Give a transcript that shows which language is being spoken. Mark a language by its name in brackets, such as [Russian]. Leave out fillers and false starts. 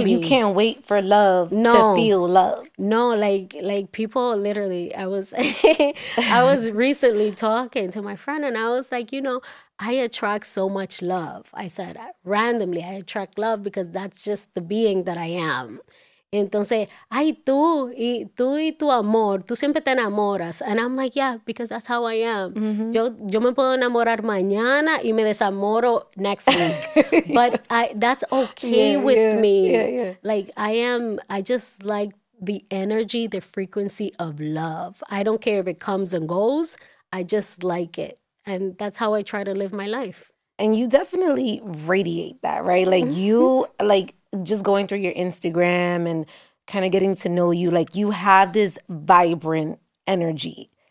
[English] Like, you can't wait for love to feel loved. No, like people literally, I was recently talking to my friend and I was like, you know, I attract so much love. I said, randomly, I attract love because that's just the being that I am. [Spanish] Entonces, ay, tú y tu amor, tú siempre te enamoras. [English] And I'm like, yeah, because that's how I am. Mm-hmm. [Spanish] Yo me puedo enamorar mañana y me desamoro [English] next week. But that's okay me. Yeah, yeah. Like, I just like the energy, the frequency of love. I don't care if it comes and goes. I just like it. And that's how I try to live my life. And you definitely radiate that, right? Like, you, like, just going through your Instagram and kind of getting to know you, like, you have this vibrant energy.